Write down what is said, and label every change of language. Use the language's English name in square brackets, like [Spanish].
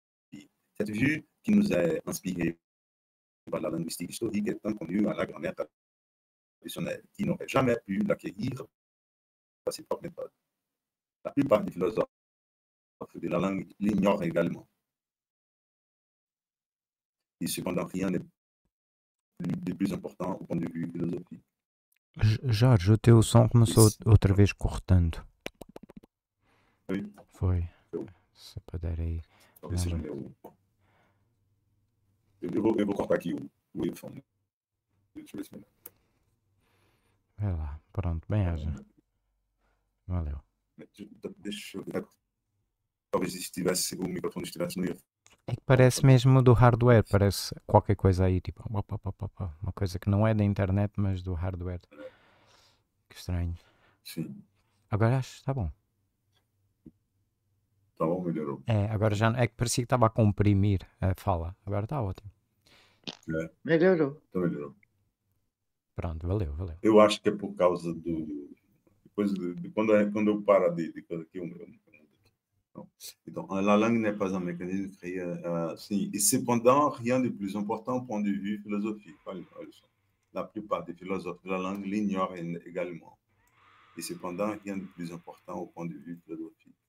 [French] Cette vue qui nous est inspirée par la linguistique historique est inconnue à la grammaire traditionnelle, qui n'aurait jamais pu l'acquérir par ses propres méthodes. La plupart des philosophes de la langue l'ignorent également. Et cependant, rien n'est de plus important au point de vue philosophique. [Portuguese] Jorge, o teu som começou outra vez cortando. Foi. Se puder aí. Talvez seja meu. Eu vou cortar aqui o iPhone. Deixa eu ver se melhor. Vai lá. Pronto. Bem-haja. Valeu. Deixa eu ver. Talvez estivesse, o microfone estivesse no iPhone. É que parece mesmo do hardware, parece qualquer coisa aí, tipo, opa, opa, opa, uma coisa que não é da internet, mas do hardware. Que estranho. Sim. Agora acho que está bom. Tá bom, melhorou. É, agora já é que parecia que estava a comprimir a fala. Agora está ótimo. É. Melhorou. Então melhorou. Pronto, valeu, valeu. Eu acho que é por causa do. Depois de quando eu paro de fazer aqui o meu. [French] Então, la langue n'est pas un mécanisme créé. Sim. E, cependant, rien de plus important au point de vue philosophique. [Portuguese] Olha só. [French] La plupart des philosophes de la langue l'ignorent également. E, cependant, rien de plus important au point de vue philosophique.